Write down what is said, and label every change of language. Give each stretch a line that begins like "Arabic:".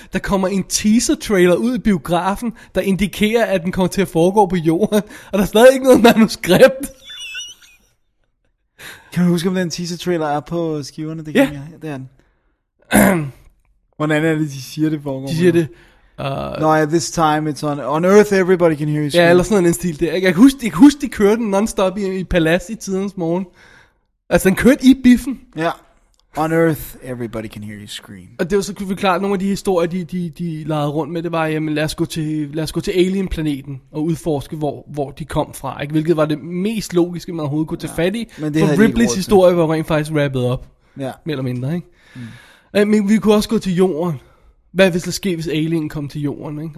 Danish: Der kommer en teaser trailer ud i biografen, der indikerer, at den kommer til at foregå på jorden. Og der er stadig ikke noget manuskript. Kan du huske, om den teaser trailer er på skiverne? Det kan jeg. Ja, det er den. Hvordan er det, de siger det for mig? De siger det.
English: Nej, this time it's on Earth, everybody can hear you.
Danish: Ja, yeah, eller sådan noget, den stil der. Jeg kan huske, de kørte den non-stop i palads i tidens morgen. Altså, den kørte i biffen. Ja. Yeah.
English: On Earth, everybody can hear you scream.
Danish: Og det var så klart, nogle af de historier, de legede rundt med, det var, jamen lad os gå til alien-planeten og udforske, hvor de kom fra, ikke? Hvilket var det mest logiske, man overhovedet kunne tage fat i. Men det for Ripley's historie var rent faktisk rappet op. Ja. Mere eller mindre, ikke? Men vi kunne også gå til jorden. Hvad hvis der skete, hvis alien kom til jorden, ikke?